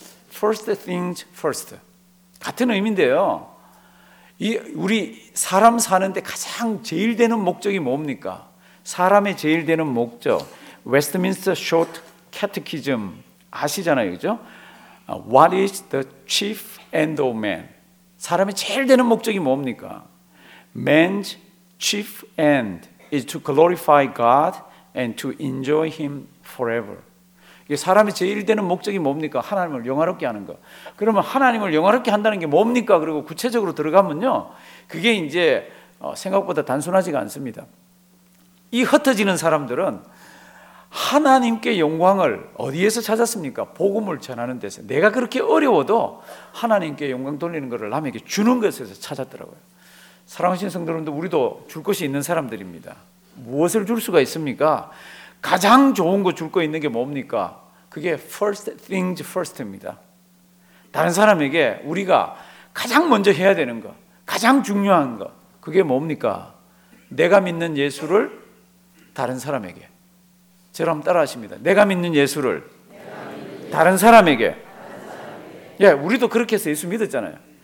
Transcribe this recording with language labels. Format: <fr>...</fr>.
<en>First things first.</en> <ko>같은 의미인데요, 이 우리 사람 사는데 가장 제일 되는 목적이 뭡니까? 사람의 제일 되는 목적, Westminster Short Catechism 아시잖아요, 그죠?</ko> <en>What is the chief end of man?</en> <ko>사람의 제일 되는 목적이 뭡니까?</ko> <en>Man's chief end is to glorify God and to enjoy Him forever.</en> <ko>이게 사람의 제일 되는 목적이 뭡니까? 하나님을 영화롭게 하는 것. 그러면 하나님을 영화롭게 한다는 게 뭡니까? 그리고 구체적으로 들어가면요, 그게 이제 생각보다 단순하지가 않습니다. 이 흩어지는 사람들은 하나님께 영광을 어디에서 찾았습니까? 복음을 전하는 데서. 내가 그렇게 어려워도 하나님께 영광 돌리는 것을 남에게 주는 것에서 찾았더라고요. 사랑하신 성도님도 우리도 줄 것이 있는 사람들입니다. 무엇을 줄 수가 있습니까? 가장 좋은 거 줄 거 있는 게 뭡니까? 그게</ko> <en>first things first</en> <ko>입니다. 다른 사람에게 우리가 가장 먼저 해야 되는 거, 가장 중요한 거, 그게 뭡니까? 내가 믿는 예수를 다른 사람에게. 저를 한번 따라 하십니다. 내가 믿는 예수를 다른 사람에게. 예, 우리도 그렇게 해서 예수 믿었잖아요.</ko>